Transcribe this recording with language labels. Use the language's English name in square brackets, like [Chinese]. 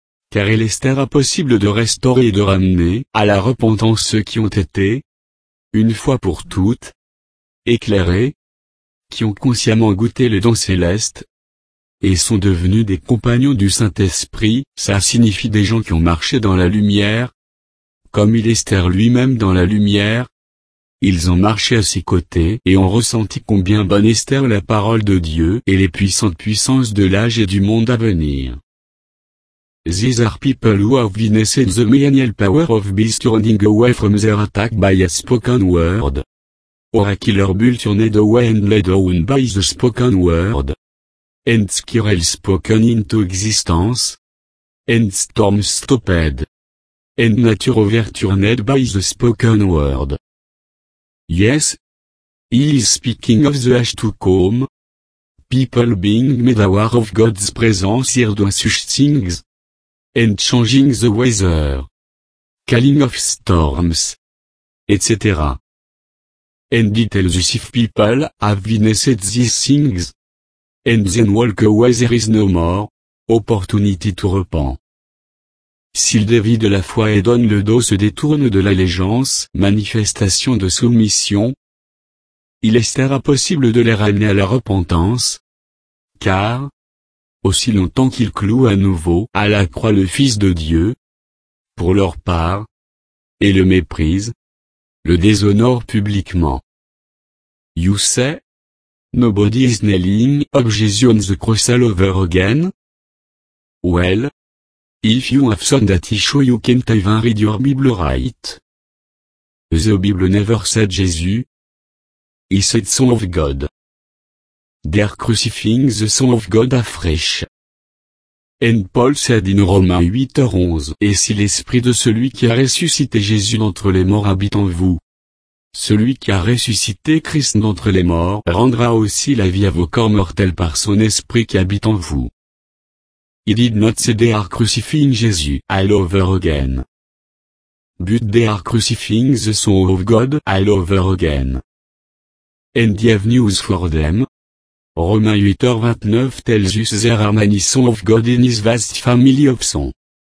[French] Car il est impossible de restaurer et de ramener à la repentance ceux qui ont été, une fois pour toutes, éclairés, qui ont consciemment goûté le don céleste, et sont devenus des compagnons du Saint-Esprit, ça signifie des gens qui ont marché dans la lumière, comme il est lui-même dans la lumière, ils ont marché à ses côtés et ont ressenti combien bonne est la parole de Dieu et les puissantes puissances de l'âge et du monde à venir. [English] These are people who have witnessed the millennial power of beast running away from their attack by a spoken word. Or a killer bull turned away and led down by the spoken word. And squirrel spoken into existence. And storm stopped. And nature overturned by the spoken word. Yes. He is speaking of the age to come. People being made aware of God's presence here doing such things. And changing the weather. Calling of storms. Etc. And it tells us if people have witnessed these things. And then walk away there is no more opportunity to repent. [French] S'ils dévient de la foi et donnent le dos, se détournent de l'allégeance, manifestation de soumission, il est impossible de les ramener à la repentance, car, aussi longtemps qu'ils clouent à nouveau à la croix le Fils de Dieu, pour leur part, et le méprisent, le déshonorent publiquement. [English] You say, nobody is nailing up Jesus on the cross all over again? Well, if you have some that issue you can't even read your Bible right. The Bible never said Jesus. He said Son of God. They're crucifying the Son of God afresh. And Paul said in Romains 8:11, [French] et si l'esprit de celui qui a ressuscité Jésus d'entre les morts habite en vous, celui qui a ressuscité Christ d'entre les morts rendra aussi la vie à vos corps mortels par son esprit qui habite en vous. [English] He did not say they are crucifying Jesus all over again. But they are crucifying the Son of God all over again. And have news for them. Romains 8:29 tells us there are many sons of God in his vast family of sons.